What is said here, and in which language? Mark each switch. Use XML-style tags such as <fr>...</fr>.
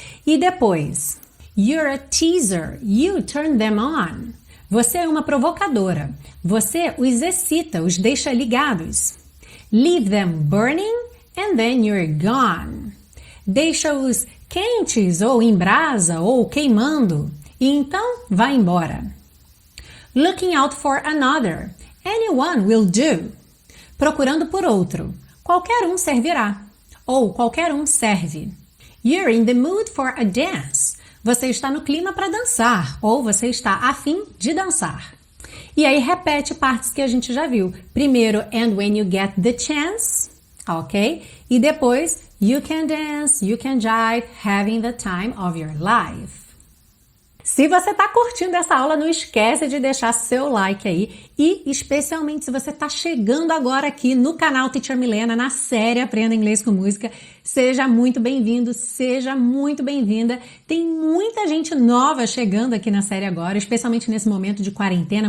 <pt>E depois,</pt> <en>you're a teaser, you turn them on.</en> <pt>Você é uma provocadora, você os excita, os deixa ligados.</pt> <en>Leave them burning and then you're gone.</en> <pt>Deixa-os quentes ou em brasa ou queimando e então vai embora.</pt> <en>Looking out for another. Anyone will do.</en> <pt>Procurando por outro. Qualquer um servirá. Ou qualquer um serve.</pt> <en>You're in the mood for a dance.</en> <pt>Você está no clima para dançar. Ou você está afim de dançar. E aí repete partes que a gente já viu. Primeiro,</pt> <en>and when you get the chance. Ok?</en> <pt>E depois,</pt> <en>you can dance, you can jive, having the time of your life.</en> <pt>Se você está curtindo essa aula, não esquece de deixar seu like aí. E especialmente se você está chegando agora aqui no canal Teacher Milena, na série Aprenda Inglês com Música, seja muito bem-vindo, seja muito bem-vinda. Tem muita gente nova chegando aqui na série agora, especialmente nesse momento de quarentena.</pt>